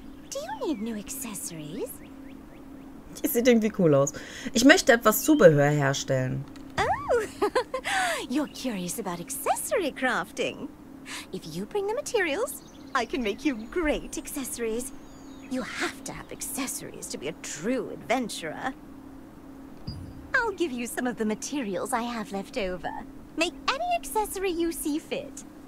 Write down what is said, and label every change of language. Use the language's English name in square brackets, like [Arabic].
[English] Do you need new accessories? [German] Die sieht irgendwie cool aus. Ich möchte etwas Zubehör herstellen. [English] Oh, you're curious about accessory crafting. If you bring the materials, I can make you great accessories. You have to have accessories to be a true adventurer. I'll give you some of the materials I have left over. Make any accessory you see fit.